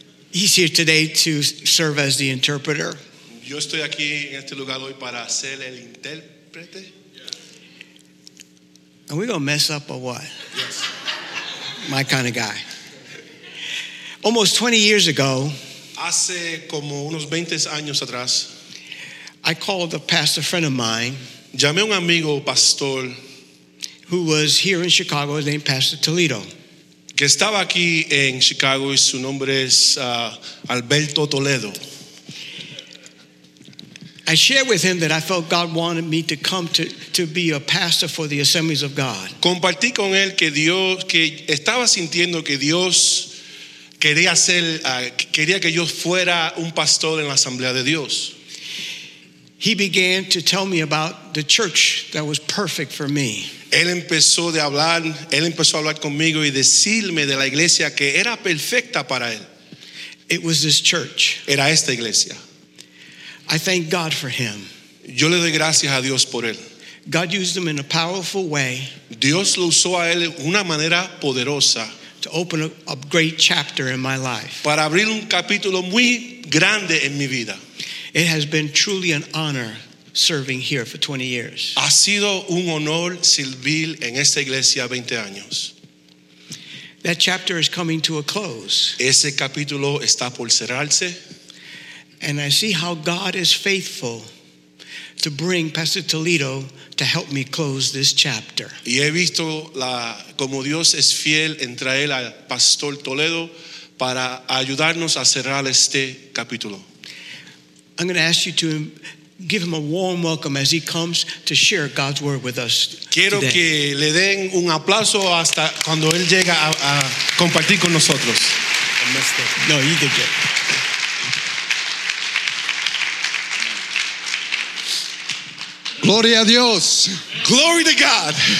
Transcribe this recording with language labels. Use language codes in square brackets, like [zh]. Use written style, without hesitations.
[en] He's here today to serve as the interpreter. [es] Yo estoy aquí en este lugar hoy para ser el intérprete. [en] Are we going to mess up or what? Yes. My kind of guy. Almost 20 years ago, [es] hace como unos 20 años atrás, [en] I called a pastor friend of mine. [es] Llamé a un amigo pastor [en] who was here in Chicago, named Pastor Toledo. [es] Que estaba aquí en Chicago y su nombre es Alberto Toledo. [en] I shared with him that I felt God wanted me to come to be a pastor for the Assemblies of God. [es] Compartí con él que Dios, que estaba sintiendo que Dios quería ser, quería que yo fuera un pastor en la Asamblea de Dios. [en] He began to tell me about the church that was perfect for me. [es] Él empezó a hablar conmigo y decirme de la iglesia que era perfecta para él. [en] It was this church. [es] Era esta iglesia. [en] I thank God for him. [es] Yo le doy gracias a Dios por él. [en] God used him in a powerful way. [es] Dios lo usó a él de una manera poderosa. [en] To open a great chapter in my life. [es] Para abrir un capítulo muy grande en mi vida. [en] It has been truly an honor serving here for 20 years. [es] Ha sido un honor servir en esta iglesia 20 años. [en] That chapter is coming to a close. [es] Ese capítulo está por cerrarse. [en] And I see how God is faithful to bring Pastor Toledo to help me close this chapter. [es] Y he visto como Dios es fiel en traer al Pastor Toledo para ayudarnos a cerrar este capítulo. [en] I'm going to ask you to give him a warm welcome as he comes to share God's word with us. [es] Quiero [en] today. [es] Que le den un aplauso hasta cuando él llega a compartir con nosotros. [en] No, you did it. [es] Gloria a Dios. [en] Glory to God.